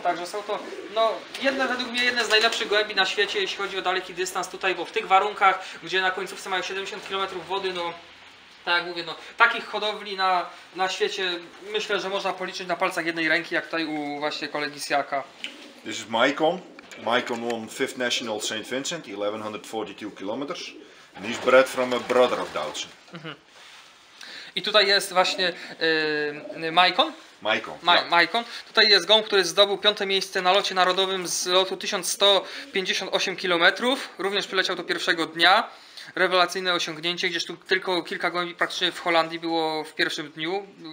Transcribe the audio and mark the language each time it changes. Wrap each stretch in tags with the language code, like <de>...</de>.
<pl>Także są to, no, według mnie jedne z najlepszych gołębi na świecie, jeśli chodzi o daleki dystans tutaj, bo w tych warunkach, gdzie na końcówce mają 70 km wody, no, tak jak mówię, no, takich hodowli na świecie myślę, że można policzyć na palcach jednej ręki, jak tutaj u właśnie kolegi Siaka.</pl> <en>This is Maikon. Maikon won 5th National St. Vincent, 1142 km. And he's bred from a brother of Doutzen.</en> <pl>I tutaj jest właśnie Maikon. Maikon. Maikon. Tutaj jest gołąb, który zdobył piąte miejsce na locie narodowym z lotu 1158 km. Również przyleciał to pierwszego dnia. Rewelacyjne osiągnięcie, gdzieś tu tylko kilka gołębi praktycznie w Holandii było w pierwszym dniu.</pl>